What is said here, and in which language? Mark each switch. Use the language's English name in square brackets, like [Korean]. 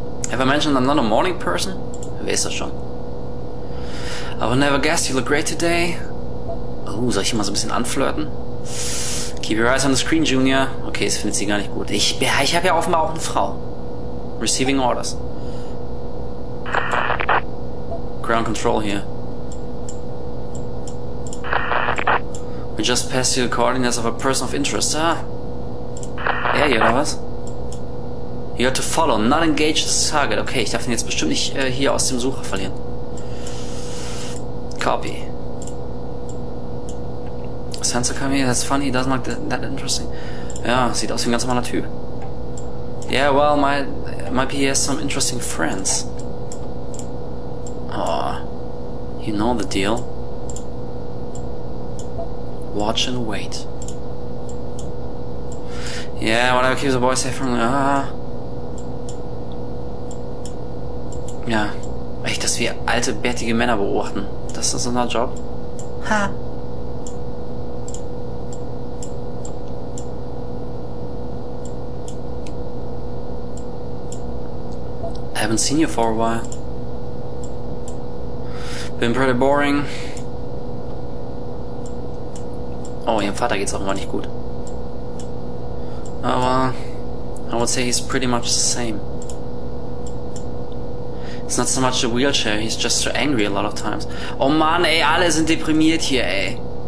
[English] Have I mentioned I'm not a morning person? [German] Weiß das schon. [English] I would never guess you look great today. [German] Oh, soll ich mal so ein bisschen anflirten? [English] Keep your eyes on the screen, Junior. [German] Okay, das findet sie gar nicht gut. Ich habe ja offenbar auch eine Frau. [English] Receiving orders. Ground control here. I just passed you the coordinates of a person of interest, huh? [German] Hey, oder was? [English] You got to follow, not engage the target. [German] Okay, ich darf ihn jetzt bestimmt nicht hier aus dem Sucher verlieren. [English] Copy. Sensor came here, that's funny, he doesn't look that interesting. [German] Ja, sieht aus wie ein ganz normaler Typ. [English] Yeah, well, might be he has some interesting friends. Oh, you know the deal. Watch and wait. Yeah, whatever keeps the boy safe from... [German] Ja, echt, dass wir alte, bärtige Männer beobachten. Das ist unser Job. Ha. [English] I haven't seen you for a while. Been pretty boring. [German] Oh, ihrem Vater geht's auch mal nicht gut. [English] Aber I would say he's pretty much the same. It's not so much the wheelchair, he's just so angry a lot of times. [German] Oh man, ey, alle sind deprimiert hier, ey.